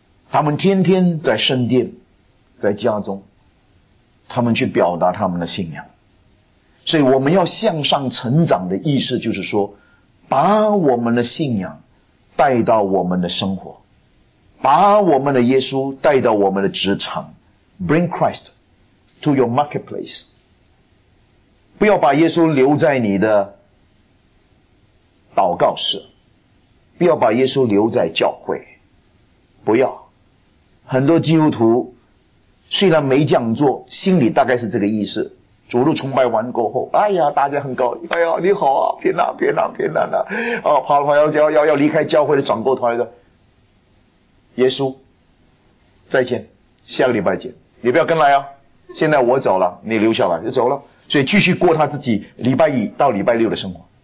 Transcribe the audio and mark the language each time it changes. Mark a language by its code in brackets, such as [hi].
[zh] 他们天天在圣殿，在家中，他们去表达他们的信仰。所以我们要向上成长的意思就是说，把我们的信仰带到我们的生活，把我们的耶稣带到我们的职场。 [en] Bring Christ to your marketplace. [zh] 不要把耶稣留在你的祷告室，不要把耶稣留在教会，不要很多基督徒虽然没这样做，心里大概是这个意思。主日崇拜完过后，哎呀，大家很高兴，哎呀，你好啊，平安平安平安啊，啊，跑了跑了要离开教会的，转过头来说，耶稣，再见，下个礼拜见，你不要跟来啊，现在我走了，你留下来就走了，所以继续过他自己礼拜一到礼拜六的生活。